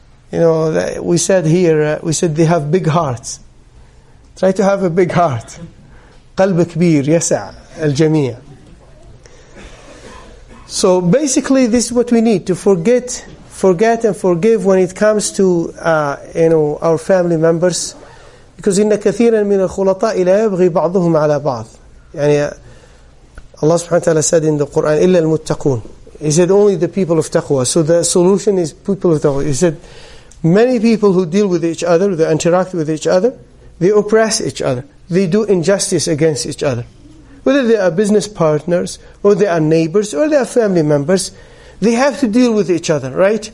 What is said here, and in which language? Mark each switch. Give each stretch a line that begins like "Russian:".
English: You know, we said here, we said they have big hearts. Try to have a big heart.
Arabic: قلب كبير يسع الجميع.
English: So basically this is what we need. To forget and forgive when it comes to our family members. Because
Arabic: إِنَّ كَثِيرًا مِنَ الْخُلَطَاءِ لَا يَبْغِي بَعْضُهُمْ عَلَى بَعْضٍ. يعني
English: Allah subhanahu wa ta'ala said in the Quran,
Arabic: إِلَّا الْمُتَّقُونَ.
English: He said only the people of taqwa. So the solution is people of taqwa. He said many people who deal with each other, they interact with each other, they oppress each other. They do injustice against each other. Whether they are business partners, or they are neighbors, or they are family members, they have to deal with each other, right?